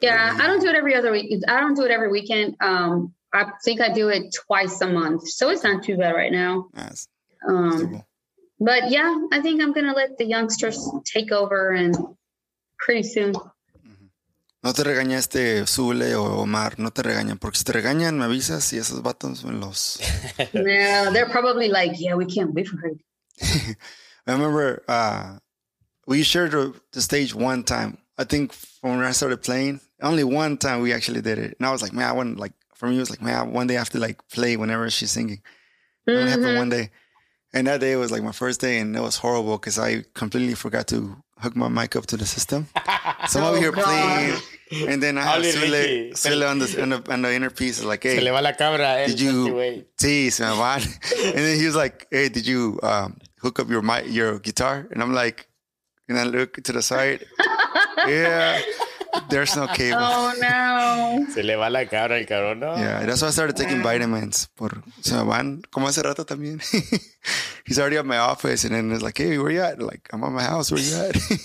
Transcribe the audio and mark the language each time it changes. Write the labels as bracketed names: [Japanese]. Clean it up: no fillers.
[English] Yeah, I don't do it every other week. I don't do it every weekend. I think I do it twice a month. So it's not too bad right now. Nice. But yeah, I think I'm going to let the youngsters take over and pretty soon. [Spanish] No te regañe este Zule o Omar. No te regañan. Porque si te regañan, me avisas y esos vatos me los... [English] No, they're probably like, yeah, we can't wait for her. I remember we shared the stage one time. I think from when I started playing, only one time we actually did it. And I was like, man, I want, like, for me, it was like, man, one day I have to, like, play whenever she's singing. It only happened one day. And that day was, like, my first day, and it was horrible because I completely forgot to hook my mic up to the system. So I'm over here playing, and then I have Sule on the inner piece. Like, hey, [Spanish] se le va la cabra, [English] did you? [Spanish] Sí, se me va. [English] And then he was like, hey, did you hook up your guitar? And I'm like, and I look to the side. Yeah, there's no cable. Oh, no. [Spanish] Se le va la cabra el cabrón, ¿no? [English] Yeah, that's why I started taking vitamins. [Spanish] Por, se me van, como hace rato también. [English] He's already at my office, and then it's like, hey, where you at? Like, I'm at my house, where you at?